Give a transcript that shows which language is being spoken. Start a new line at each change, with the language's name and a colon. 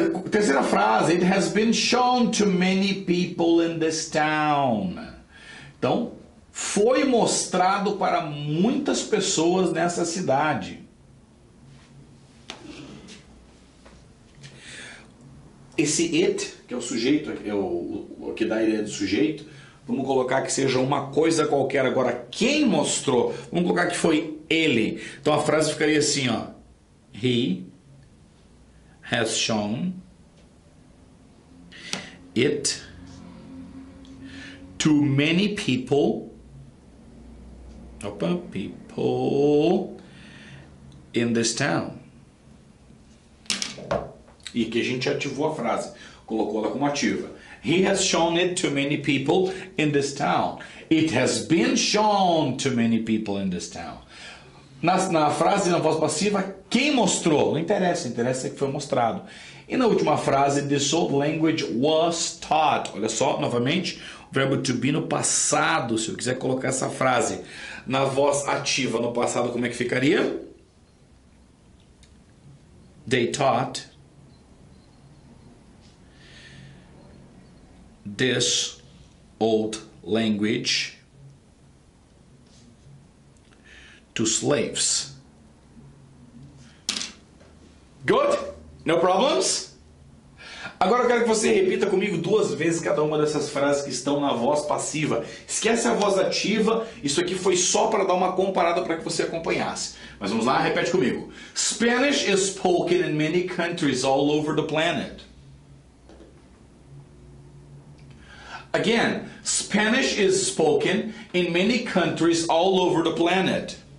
Portuguese: Terceira frase,
English: it has been shown to many people in this town.
Portuguese: Então, foi mostrado para muitas pessoas nessa cidade. Esse it, que é o sujeito, é o que dá a ideia de sujeito, vamos colocar que seja uma coisa qualquer. Agora, quem mostrou? Vamos colocar que foi ele. Então a frase ficaria assim, ó.
English: He has shown it to many people. Opa, people in this town.
Portuguese: E aqui a gente ativou a frase, colocou ela como ativa.
English: He has shown it to many people in this town. It has been shown to many people in this town.
Portuguese: Na frase, na voz passiva, quem mostrou? Não interessa, interessa que foi mostrado. E na última frase,
English: this old language was taught.
Portuguese: Olha só, novamente, o verbo to be no passado, se eu quiser colocar essa frase na voz ativa no passado, como é que ficaria?
English: They taught this old language to slaves. Good? No problems?
Portuguese: Agora eu quero que você repita comigo duas vezes cada uma dessas frases que estão na voz passiva. Esquece a voz ativa, isso aqui foi só para dar uma comparada para que você acompanhasse. Mas vamos lá, repete comigo.
English: Spanish is spoken in many countries all over the planet. Again, Spanish is spoken in many countries all over the planet.